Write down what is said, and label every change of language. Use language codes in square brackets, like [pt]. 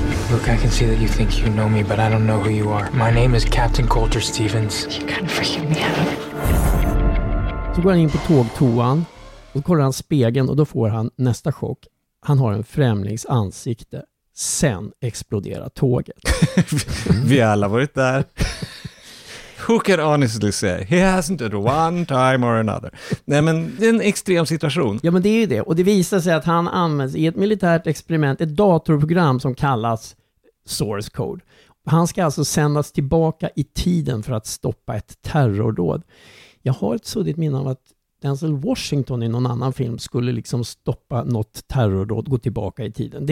[en] Look, I can see that you think you know me, but I don't know who you are. My name is Captain Coulter Stevens. You can't freak me out. [sv] Så går han in på tågtoan och kollar han spegeln, och då får han nästa chock. Han har en främlings ansikte. Sen exploderar tåget. Vi har alla varit där. [en] Who can honestly say? He hasn't it one time or another. [sv] Nej, men det är en extrem situation. Ja, men det är ju det. Och det visar sig att han används i ett militärt experiment, ett datorprogram som kallas Source Code. Han ska alltså sändas tillbaka i tiden för att stoppa ett terrordåd. Jag har ett suddigt minne av att Denzel Washington i någon annan film skulle liksom stoppa något terrordåd, gå tillbaka i tiden.